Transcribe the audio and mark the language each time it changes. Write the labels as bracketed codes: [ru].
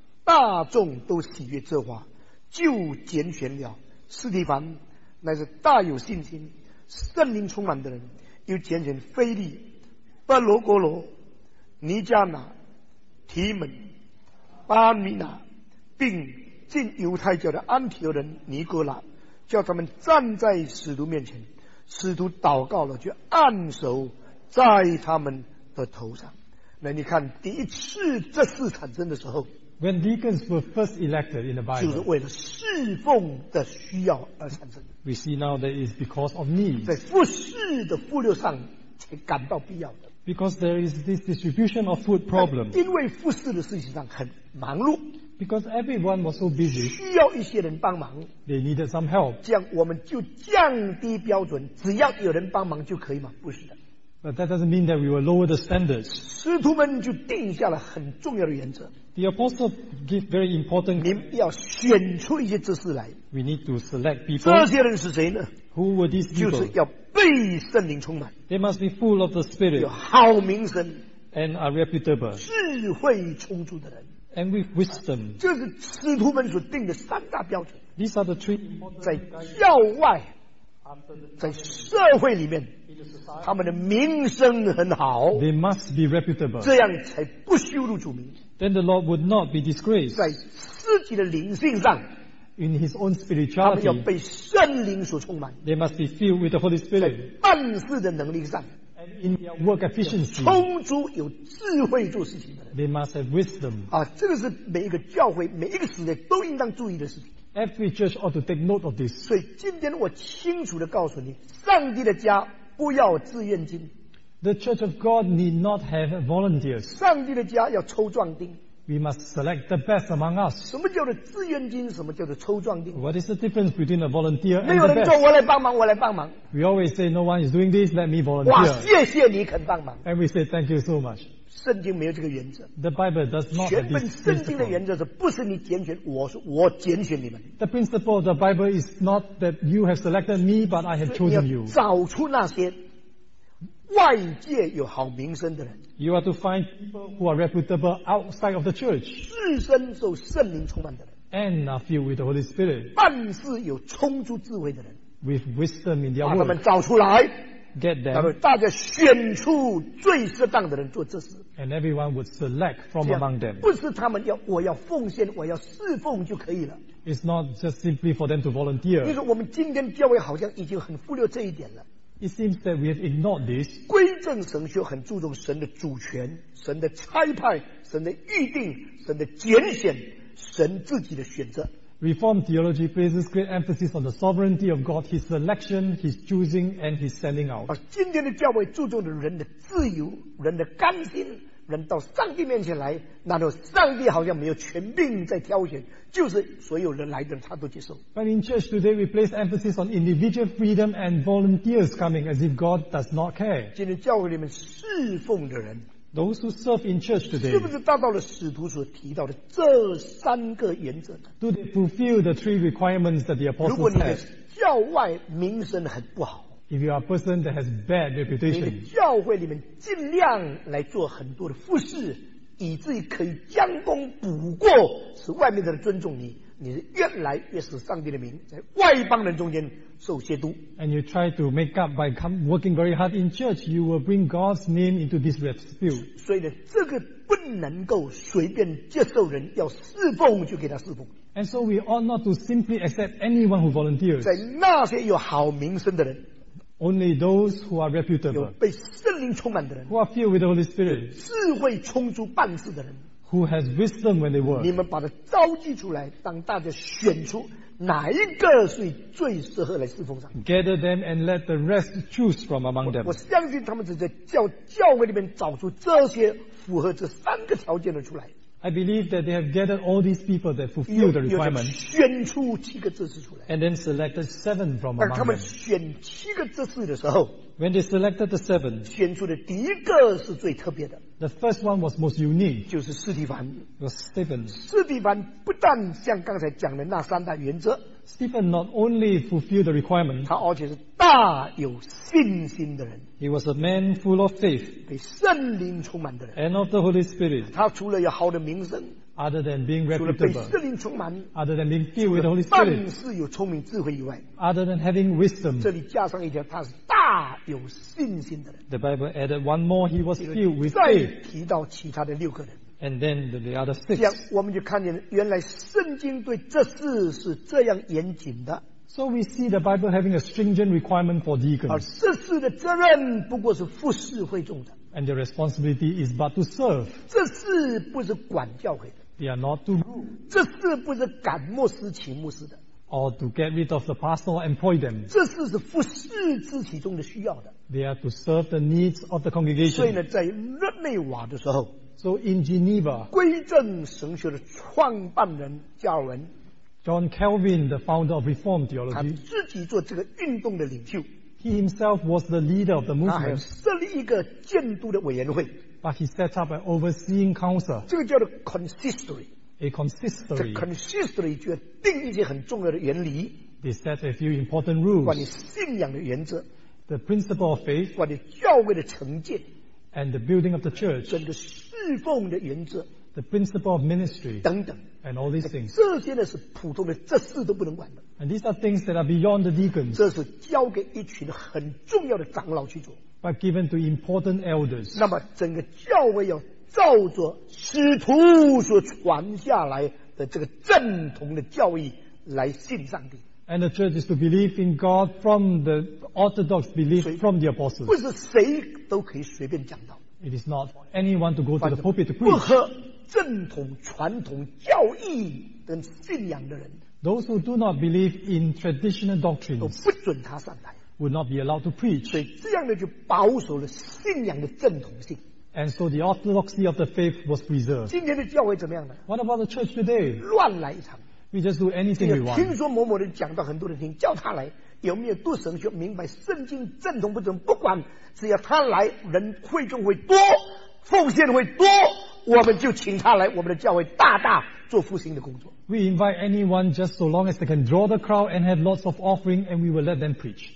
[zh] 大众都喜悦这话，就拣选了斯提凡，乃是大有信心、圣灵充满的人，又拣选腓力、巴罗格罗、尼加拿、提门、巴米纳，并进犹太教的安提俄人尼哥拉，叫他们站在使徒面前。使徒祷告了，就按手在他们的头上。那你看，第一次这事产生的时候 [en] ，When deacons were first elected in the Bible， [zh] 就是为了侍奉的需要而产生的。 [en] We see now that it's because of need， [zh] 在服事的忽略上才感到必要的。 [en] Because there is this distribution of food problem， [zh] 因为服事的事情上很忙碌。 [en] Because everyone was so busy, [zh] 需要一些人帮忙。 [en] They needed some help. [zh] 这样我们就降低标准，只要有人帮忙就可以吗？不是的。 [en] But that doesn't mean that we will lower the standards. [zh] 使徒们就定下了很重要的原则。 [en] The apostles give very important. [zh] 你们要选出一些知识来。 [en] We need to select people. [zh] 这些人是谁呢？ [en] Who were these people? [zh] 就是要被圣灵充满。 [en] They must be full of the Spirit. [zh] 有好名声。 [en] And are reputable. [zh] 智慧充足的人。 [en] And with wisdom. [zh] 这是使徒们所定的三大标准。 [en] These are the three. [zh] 在教外，在社会里面，他们的名声很好。 [en] They must be reputable. [zh] 这样才不羞辱主名。 [en] Then the Lord would not be disgraced. [zh] 在自己的灵性上 [en] ，in his own spirituality. [zh] 他们要被圣灵所充满。 [en] They must be filled with the Holy Spirit. [zh] 在办事的能力上。 [en] In their work efficiency, [zh] 充足有智慧做事情的人 [en] ，they must have wisdom. [zh] 啊，这个是每一个教会、每一个时代都应当注意的事情。 [en] Every church ought to take note of this. [zh] 所以今天我清楚地告诉你，上帝的家不要自愿金。 [en] The church of God need not have volunteers. [zh] 上帝的家要抽壮丁。 [en] We must select the best among us. [zh] 什么叫做自愿金？什么叫做抽壮丁 [en] ？What is the difference between a volunteer and the best? [zh] 没有人说我来帮忙，我来帮忙。 [en] We always say no one is doing this. Let me volunteer. [zh] 哇，谢谢你肯帮忙。 [en] And we say thank you so much. [zh] 圣经没有这个原则。 [en] The Bible does not have this principle. [zh] 圣经的原则是不是你拣选我？是我拣选你们。 [en] The principle of the Bible is not that you have selected me, but I have chosen you. [zh] 找出那些外界有好名声的人。 [en] You are to find people who are reputable outside of the church. [zh] 自身受圣灵充满的人。 [en] and are filled with the Holy Spirit. [zh] 但是有充足智慧的人 [en] with wisdom in their word, [zh] 把他们找出来 [en] get them, [zh] 大家选出最适当的人做这事 [en] and everyone would select from among them. [zh] 不是他们要我要奉献我要侍奉就可以了 [en] It's not just simply for them to volunteer. [zh] 就是我们今天教会好像已经很忽略这一点了 [en] It seems that we have ignored this. [zh] 归正神学很注重神的主权、神的差派、神的预定、神的拣选、神自己的选择。 [en] Reformed theology places great emphasis on the sovereignty of God, His selection, His choosing, and His sending out. [zh] 而今天的教会注重的人的自由、人的甘心、人到上帝面前来，那时候上帝好像没有权柄在挑选，就是所有人来的他都接受。 [en] But in church today, we place emphasis on individual freedom and volunteers coming as if God does not care. [zh] 今天教会里面侍奉的人 [en] ，those who serve in church today， [zh] 是不是达到了使徒所提到的这三个原则 [en] ？Do they fulfill the three requirements that the apostles said？ [zh] 如果你的教外名声很不好。 [en] If you are a person that has bad reputation, [zh] 你的教会里面尽量来做很多的服事，以至于可以将功补过，使外面的人尊重你。你是越来越使上帝的名在外邦人中间受亵渎。 [en] And you try to make up by working very hard in church, you will bring God's name into this dispute. [zh] 所以呢，这个不能够随便接受人要侍奉就给他侍奉。 [en] And so we ought not to simply accept anyone who volunteers. [zh] 在那些有好名声的人。 [en] Only those who are reputable, [zh] 有被圣灵充满的人 [en] who are filled with the Holy Spirit, [zh] 智慧充足办事的人 [en] who has wisdom when they work, [zh] 你们把它召集出来，当大家选出哪一个是最适合来侍奉上。 [en] Gather them and let the rest choose from among them. [zh] 我相信他们只在教会里面找出这些符合这三个条件的出来。 [en] I believe that they have gathered all these people that fulfill the requirement. [zh] 选出七个知识出来。 [en] And then selected seven from among them. [zh] 而他们选七个知识的时候 [en] ，When they selected the seven, [zh] 选出的第一个是最特别的。 [en] The first one was most unique. [zh] 就是斯蒂凡。 [en] Was Stephen. [zh] 斯蒂凡不但像刚才讲的那三大原则 [en] ，Stephen not only fulfilled the requirement. [zh] 他而且是大有信心的人。 [en] He was a man full of faith, [zh] 被圣灵充满的人 [en] and of the Holy Spirit. [zh] 他除了有好的名声 [en] other than being reputable, [zh] 除了被圣灵充满 [en] other than being filled with the Holy Spirit, [zh] 办事有聪明智慧以外 [en] other than having wisdom, [zh] 这里加上一条，他是大有信心的人 [en] The Bible added one more. He was filled with faith. [zh] 再提到其他的六个人 [en] and then the other six. [zh] 这样我们就看见，原来圣经对这事是这样严谨的。 [en] So we see the Bible having a stringent requirement for deacons. [zh] 而这事的责任不过是服事会众的。 [en] And their responsibility is but to serve. [zh] 这事不是管教会的。 [en] They are not to rule. [zh] 这事不是赶牧师请牧师的。 [en] Or to get rid of the pastor or employ them. [zh] 这事是服事肢体中的需要的。 [en] They are to serve the needs of the congregation. [zh] 所以呢，在日内瓦的时候 [en] ，So in Geneva, [zh] 归正神学的创办人加尔文。 [en] John Calvin, the founder of Reformed theology, [zh] 他自己做这个运动的领袖。 [en] He himself was the leader of the movement. [zh] 他还设立一个监督的委员会。 [en] But he set up an overseeing council. [zh] 这个叫做 consistory. [en] A consistory. [zh] The consistory 就要定一些很重要的原理。 [en] They set a few important rules. [zh] 关于信仰的原则。 [en] The principle of faith. [zh] 关于教会的成建。 [en] And the building of the church. [zh] 整个侍奉的原则。 [en] The principle of ministry. [zh] 等等。 [en] And all these things. [zh] 这些呢是普通的这事都不能管的。 [en] And these are things that are beyond the deacons. [zh] 这是交给一群很重要的长老去做。 [en] But given to important elders. [zh] 那么整个教会要照着使徒所传下来的这个正统的教义来信上帝。 [en] And the church is to believe in God from the orthodox belief from the apostles. [zh] 不是谁都可以随便讲道。 [en] It is not anyone to go to the pulpit to preach. [zh] 正统传统教义跟信仰的人 [en] ，those who do not believe in traditional doctrines [zh] 都不准他上台 [en] ，would not be allowed to preach。 [zh] 所以这样的就保守了信仰的正统性。 [en] And so the orthodoxy of the faith was preserved。 [zh] 今天的教会怎么样呢 [en] ？What about the church today？ [zh] 乱来一场。 [en] We just do anything we want。 [zh] 听说某某人讲到很多人听，叫他来，有没有读神学，明白圣经正统不准，不管，只要他来，人会众会多，奉献会多。我们就请他来，我们的教会大大做复兴的工作。 [en] We invite anyone just so long as they can draw the crowd and have lots of offering, and we will let them preach.